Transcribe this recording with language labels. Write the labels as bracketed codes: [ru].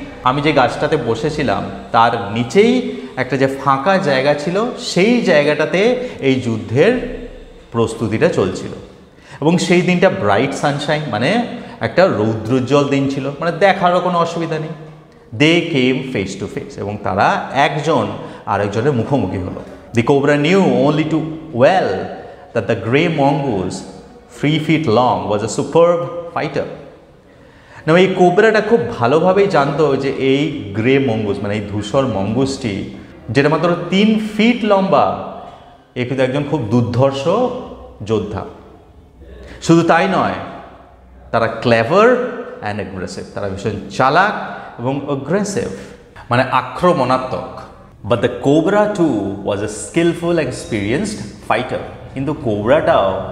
[bn] আমি যে গাছটাতে বসেছিলাম তার নিচেই একটা যে ফাঁকা জায়গা ছিল সেই জায়গাটাতে এই যুদ্ধের প্রস্তুতিটা চলছিল এবং সেই দিনটা ব্রাইট সানশাইন মানে একটা রৌদ্রোজ্জ্বল দিন ছিল মানে দেখারও কোনো অসুবিধা নেই [en] They came face to face. [bn] এবং তারা একজন আরেকজনের মুখোমুখি হলো. [en] The cobra knew only too well that the grey mongoose, 3 feet long, was a superb fighter. [bn] Now, এই কোবরাটা খুব ভালোভাবেই জানত যে এই গ্রে মঙ্গুস মানে এই ধূসর মঙ্গুসটি যেটা মাত্র 3 feet লম্বা এ কিন্তু একজন খুব দুর্ধর্ষ যোদ্ধা শুধু তাই নয় তারা [en] clever and aggressive [bn] তারা ভীষণ চালাক এবং অ্যাগ্রেসিভ মানে আক্রমণাত্মক [en] but the cobra too was a skilful experienced fighter [bn] কিন্তু কোবরাটাও